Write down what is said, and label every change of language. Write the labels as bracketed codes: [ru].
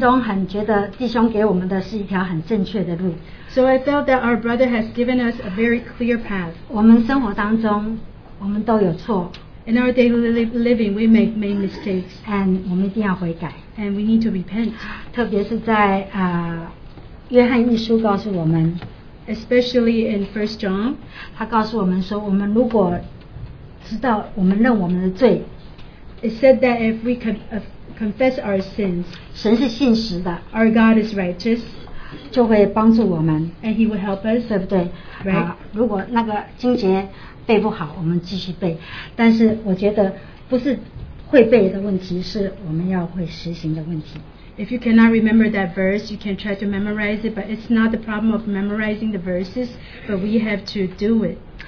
[zh] 所以我只是心中很觉得弟兄给我们的是一条很正确的路。 [en] So I felt that our brother has given us a very clear path. [zh] 我们生活当中我们都有错。 [en] In our daily living, we make many mistakes. [zh] And 我们一定要悔改。 [en] And we need to repent. [zh] 特别是在 约翰一书告诉我们, [en] especially in 1 John, [zh] 他告诉我们说, 我们如果知道, 我们认我们的罪, [en] it said that if we confess our sins, [zh] 神是信实的, [en] our God is righteous, [zh] 就会帮助我们, [en] and he will help us, [zh] 对不对? [en] Right? [zh] 如果那个经节背不好, 我们继续背, 但是我觉得不是会背的问题, 是我们要会实行的问题。 [en] If you cannot remember that verse, you can try to memorize it, but it's not the problem of memorizing the verses, but we have to do it.